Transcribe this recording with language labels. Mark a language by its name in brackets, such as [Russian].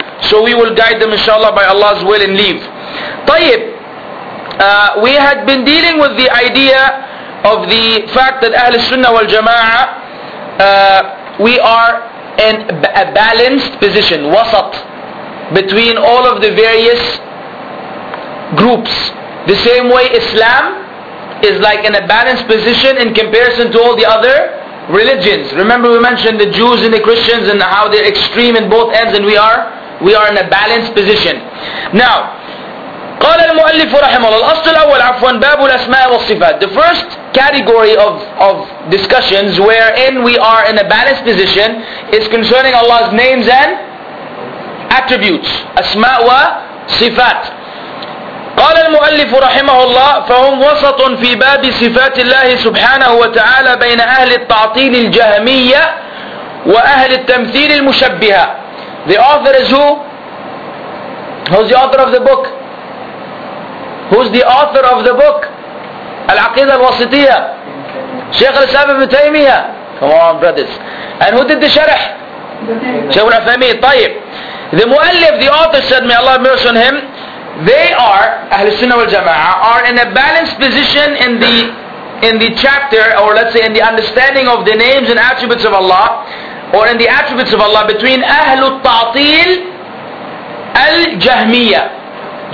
[English] So we will guide them inshallah by Allah's will and leave. طيب, we had been dealing with the idea of the fact that Ahl Sunnah wal Jama'ah, we are in a balanced position, wasat, between all of the various groups. The same way Islam is like in a balanced position in comparison to all the other religions. Remember we mentioned the Jews and the Christians and how they're extreme in both ends, and we are in a balanced position. [Arabic] Now, قال المؤلف رحمه الله الأصل الأول عفوا باب الأسماء والصفات. [English] The first category of discussions wherein we are in a balanced position is concerning Allah's names and attributes. [Arabic] أسماء وصفات. قال المؤلف رحمه الله فهم وسط في باب صفات الله سبحانه وتعالى بين أهل التعطيل الجهمية وأهل التمثيل المشبهة. [English] The author is who? Who's the author of the book? Who's the author of the book? Al-Aqidah Al-Wasitiyah. Shaykh Al-Islam Ibn Taymiyyah. Come on, brothers. And who did the sharh? Shaykh Al-Faymiyyah. طيب. The muallif, the author said, may Allah have mercy on him, they are, Ahl Sunnah wal Jama'ah, are in a balanced position in the chapter, or let's say in the understanding of the names and attributes of Allah, or in the attributes of Allah, between Ahl Al-Ta'til Al-Jahmiyyah.